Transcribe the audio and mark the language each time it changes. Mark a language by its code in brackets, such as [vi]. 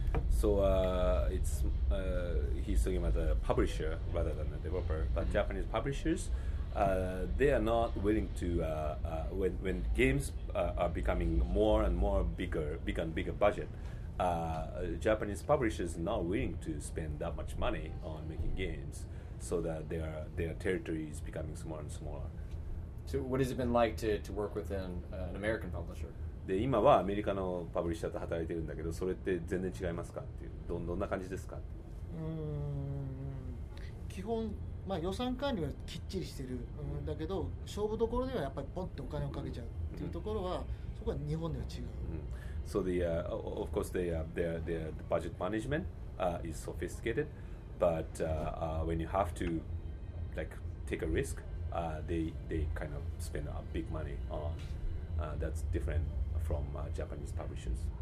[en] So it's, he's talking about a publisher rather than a developer, but Japanese publishers, they are not willing to, when games are becoming more and more bigger, bigger and bigger budget, Japanese publishers are not willing to spend that much money on making games. So that their territory is becoming smaller and smaller. So what has it been like to work with an American publisher? [ja] で今はアメリカのパブリッシャーと働いてるんだけど、それって全然違いますかっていう、どんな感じですかっていう。基本、まあ、予算管理はきっちりしてる、うん、だけど勝負どころではやっぱりポンってお金をかけちゃうっていうところは、うん、そこは日本では違う。うん、 [en] so the of course they their budget management is sophisticated. But when you have to, like, take a risk, they kind of spend a big money on. That's different from Japanese publishers.